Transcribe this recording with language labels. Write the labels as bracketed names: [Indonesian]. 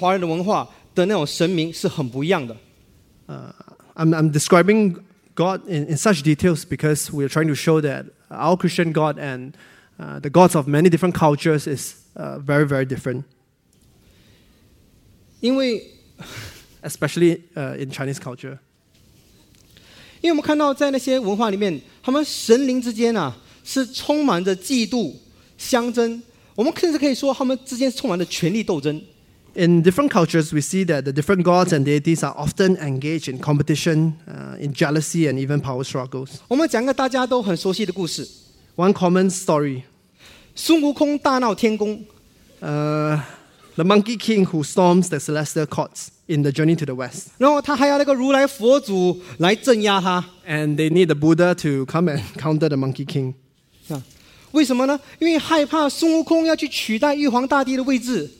[Chinese] 我要讲那么多，是因为我想你了解，其实这里的上帝跟很多的文化，甚至是我们自己华人的文化的那种神明是很不一样的。 [English] I'm describing God in such details because we're trying to show that our Christian God and the gods of many different cultures is very, very different. [Chinese] 因为 [English] especially in Chinese culture. [Chinese] 因为我们看到在那些文化里面，他们神灵之间啊，是充满着嫉妒、相争。我们甚至可以说，他们之间是充满着权力斗争。 [English] In different cultures, we see that the different gods and deities are often engaged in competition, in jealousy, and even power struggles. [Chinese] 我们讲个大家都很熟悉的故事。 [English] One common story. [Chinese] 孙悟空大闹天宫。 [English] The monkey king who storms the celestial courts in the journey to the west. [Chinese] 然后他还要那个如来佛祖来镇压他。 [English] And they need the Buddha to come and counter the monkey king. [Chinese] 为什么呢？因为害怕孙悟空要去取代玉皇大帝的位置。